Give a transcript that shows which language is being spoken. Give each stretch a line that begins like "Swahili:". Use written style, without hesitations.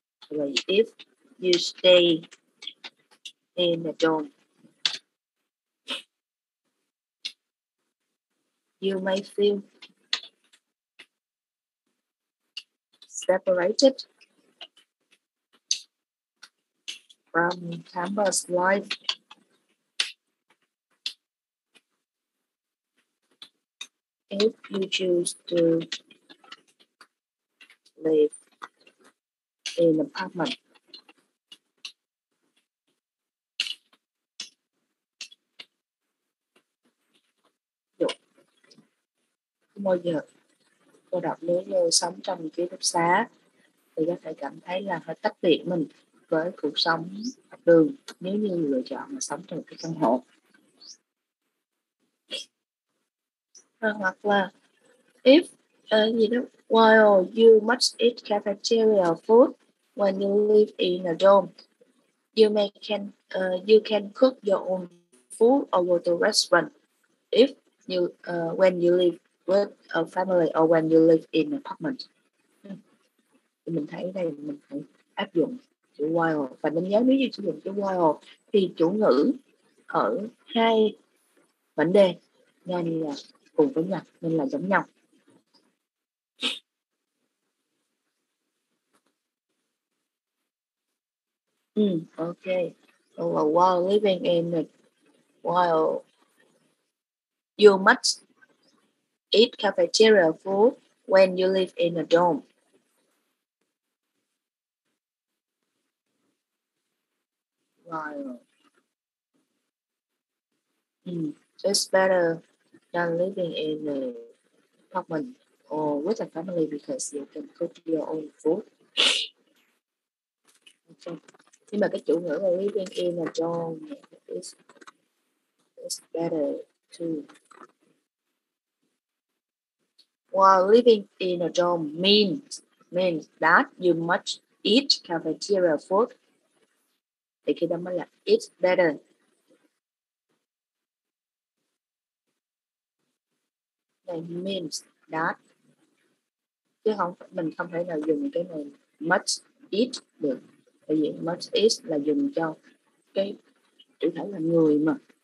English: If you stay in a dorm, you may feel separated from campus life. If you choose to live in an apartment,
Vietnamese: không bao giờ cô đọc nếu như sống trong ký túc xá thì có thể cảm thấy là hơi tách biệt mình với cuộc sống học đường nếu như lựa chọn mà sống trong cái căn hộ.
English: Hoặc là if while you must eat cafeteria food when you live in a dorm, you may can you can cook your own food or go to a restaurant if you when you live with a family or when you live in an apartment.
Vietnamese: Thì mình thấy đây mình phải áp dụng chữ while, và mình nhớ nếu như sử dụng chữ while thì chủ ngữ ở hai vấn đề nên là cùng với nhau nên là giống nhau.
English: Okay. So while living in it, while you must eat cafeteria food when you live in a dorm. It's better than living in a apartment or with a family because you can cook your own food. Okay.
Vietnamese: Nhưng mà cái chủ ngữ là
English: living in a dorm is better too. While living in a dorm means that you must eat cafeteria food.
Vietnamese: Thì khi đó mới là
English: it's better.
Vietnamese: Này
English: means that.
Vietnamese: Chứ không, mình không thể nào dùng cái này
English: must eat
Vietnamese: được. Tại vì
English: must eat
Vietnamese: là dùng cho cái chủ thể là người mà.